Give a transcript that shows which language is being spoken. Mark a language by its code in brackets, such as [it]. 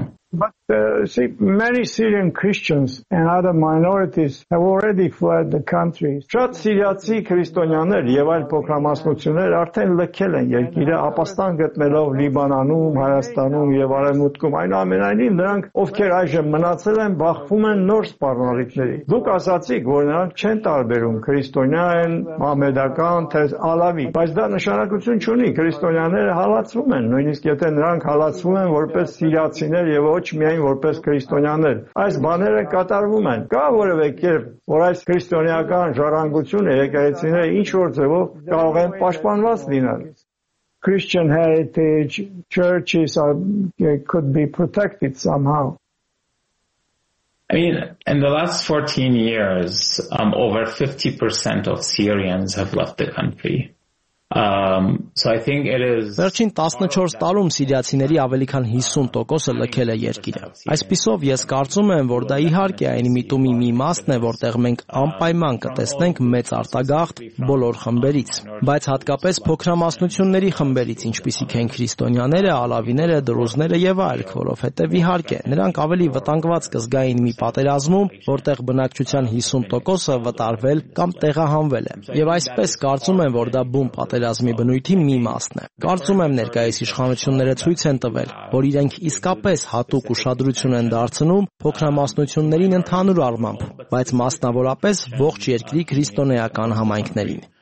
[en] But see, many Syrian Christians and other minorities have already fled the country. [hy] Շատ սիրիացի քրիստոնյաներ եւ այլ փոքրամասնություններ արդեն լքել են երկիրը, ապաստան գտնելով Լիբանանում, Հայաստանում եւ Արևմուտքում։ Այնուամենայնիվ, նրանք, ովքեր այժմ մնացել են, բախվում են նոր սպառնալիքների։ Դուք ասացիք, որ նրանք չեն տարբերում քրիստոնյա են, մահմեդական, թե ալավի, բայց դա նշանակություն չունի, քրիստոնյաները հալածվում են, նույնիսկ եթե նրանք հալածվում են որպես սիրիացիներ եւ ոչ միայն որպես քրիստոնյաներ։ Այս բաները կատարվում են։ Կա որևէ կերպ, որ այս քրիստոնեական ժառանգությունը եկեղեցիները ինչ որ ձևով կարող են պաշտպանված լինել։ [en] Christian heritage churches are could be protected somehow. I mean, in the last 14 years, over 50% of Syrians have left the country. [hy] Վերջին 14 տարում սիրիացիների ավելի քան 50%-ը լքել է երկիրը։ Այսպիսով ես կարծում եմ, որ դա իհարկե այն միտումի մի մասն է, որտեղ մենք անպայման կտեսնենք մեծ արտագաղթ բոլոր խմբերից, բայց հատկապես փոքրամասնությունների խմբերից, ինչպիսիք են քրիստոնյաները, ալավիները, դրուզները եւ այլք, որովհետեւ իհարկե նրանք ավելի վտանգված կզգային մի պատերազմում, որտեղ բնակչության 50%-ը վտարվել կամ տեղահանվել է։ Եվ այսպես կարծում եմ, որ դա բում պատերազմի բնույթի մի մասն է։ Կարծում եմ, ներկայիս իշխանությունները ցույց են տվել, որ իրենք իսկապես հատուկ ուշադրություն են դարձնում փոքրամասնություններին ընդհանուր առմամբ, բայց մասնավորապես ողջ երկրի քրիստոնեական համայնքներին։